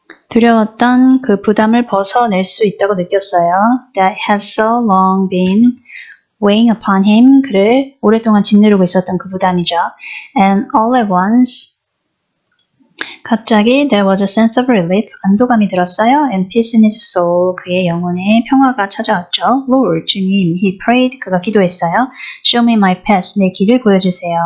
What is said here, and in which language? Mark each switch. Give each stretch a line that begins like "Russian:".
Korean: 두려웠던 그 부담을 벗어낼 수 있다고 느꼈어요.
English: That had so long been weighing upon him.
Korean: 그를 오랫동안 짓누르고 있었던 그 부담이죠.
English: And all at once,
Korean: 갑자기
English: there was a sense of relief,
Korean: 안도감이 들었어요.
English: And peace in his soul,
Korean: 그의 영혼에 평화가 찾아왔죠.
English: Lord,
Korean: 주님,
English: he prayed,
Korean: 그가 기도했어요.
English: Show me my path,
Korean: 내 길을 보여주세요.